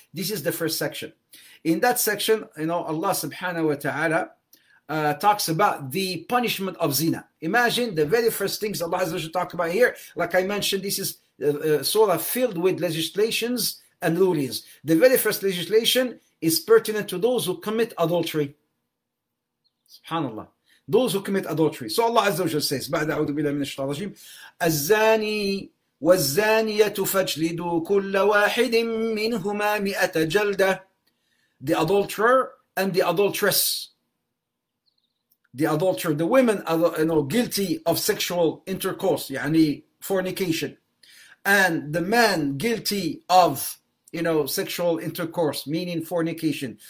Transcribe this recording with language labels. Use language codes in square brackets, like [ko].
[en] This is the first section. In that section, you know, Allah subhanahu wa ta'ala talks about the punishment of zina. Imagine the very first things Allah has talked about here. Like I mentioned, this is surah filled with legislations and rulings. The very first legislation is pertinent to those who commit adultery. Subhanallah. Those who commit adultery. So Allah Azza wa Jalla says, [ar] بعد أعوذ بالله من الشيطان الرجيم الزاني والزانية فاجلدوا كل واحد منهما مئة جلدة. [en] The adulterer and the adulteress. The adulterer, the women are, you know, guilty of sexual intercourse, يعني fornication. And the man guilty of, you know, sexual intercourse, meaning fornication.